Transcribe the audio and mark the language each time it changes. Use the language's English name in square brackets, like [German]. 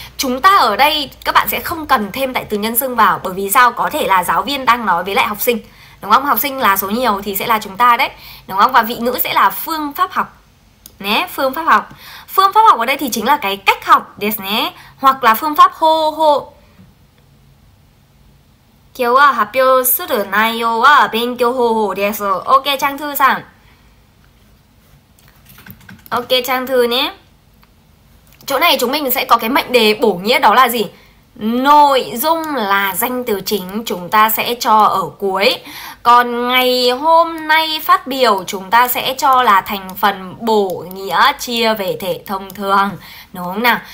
[Vietnamese] Chúng ta ở đây các bạn sẽ không cần thêm tại từ nhân xưng vào. Bởi vì sao? Có thể là giáo viên đang nói với lại học sinh, đúng không? Học sinh là số nhiều thì sẽ là chúng ta đấy, đúng không? Và vị ngữ sẽ là phương pháp học né. Phương pháp học. Phương pháp học ở đây thì chính là cái cách học [Japanese] ですね. [Vietnamese] Hoặc là phương pháp hô hô. [Japanese] 今日は発表する内容は勉強方法です。 OK、チャングトゥさん。 OK、チャングトゥね。 [Vietnamese] chỗ này chúng mình sẽ có cái mệnh đề bổ nghĩa, đó là gì? Nội dung là danh từ chính chúng ta sẽ cho ở cuối. Còn ngày hôm nay phát biểu chúng ta sẽ cho là thành phần bổ nghĩa chia về thể thông thường. Đúng không nào?